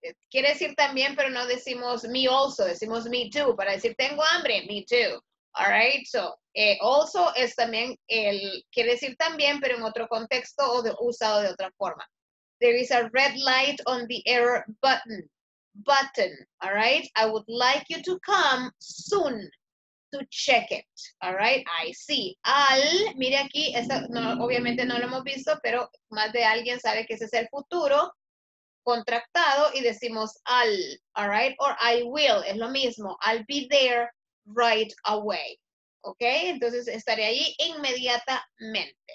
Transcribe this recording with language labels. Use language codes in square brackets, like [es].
[es] quiere decir también, pero no decimos me also, decimos [en] me too, [es] para decir tengo hambre, me too. All right, so also es también el, quiere decir también, pero en otro contexto o usado de otra forma. [en] There is a red light on the error button. Button, all right? I would like you to come soon to check it. All right, I see. [es] Al, mire aquí, esta, no, obviamente no lo hemos visto, pero más de alguien sabe que ese es el futuro contractado y decimos I'll, all right, or I will, es lo mismo, [en] I'll be there right away, [es] ok, entonces estaré ahí inmediatamente.